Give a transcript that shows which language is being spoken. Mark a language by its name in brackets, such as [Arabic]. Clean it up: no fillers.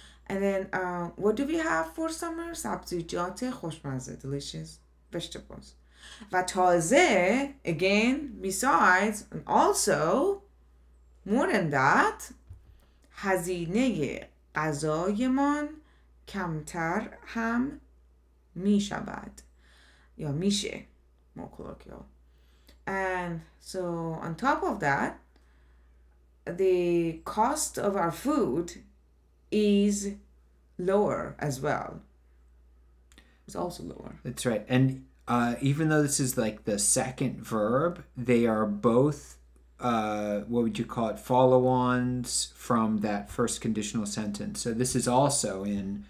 [English] And then, what do we have for summer? [Persian] سبزیجات خوشمزه, [English] delicious vegetables. [Persian] و تازه, [English] again, besides, and also, more than that, [Persian] هزینه غذایمان کمتر هم می شود. [English] Yeah, میشه, more colloquial. And so on top of that, the cost of our food is lower as well. It's also lower. That's right. And even though this is like the second verb, they are both, what would you call it, follow-ons from that first conditional sentence. So this is also in